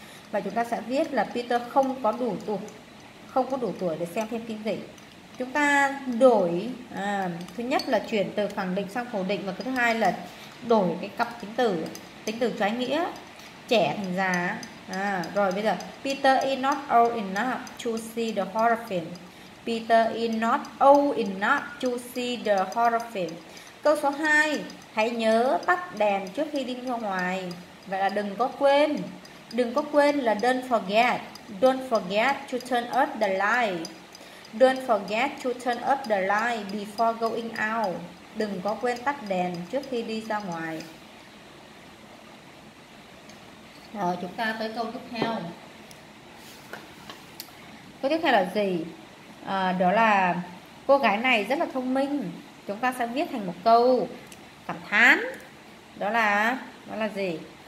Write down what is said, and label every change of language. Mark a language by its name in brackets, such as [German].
[Vietnamese] Và chúng ta sẽ viết là Peter không có đủ tuổi, không có đủ tuổi để xem phim kinh dị. Chúng ta đổi thứ nhất là chuyển từ khẳng định sang phủ định, và thứ hai là đổi cái cặp tính từ trái nghĩa, trẻ thành già. Rồi bây giờ, [English] Peter is not old enough to see the horror film. Peter is not old enough to see the horror film. [Vietnamese] Câu số 2, hãy nhớ tắt đèn trước khi đi ra ngoài. Vậy là đừng có quên là [English] don't forget to turn off the light. Don't forget to turn off the light before going out. [Vietnamese] Đừng có quên tắt đèn trước khi đi ra ngoài. Rồi, chúng ta tới câu tiếp theo. Câu tiếp theo là gì? Đó là cô gái này rất là thông minh. Chúng ta sẽ viết thành một câu cảm thán. Đó là gì?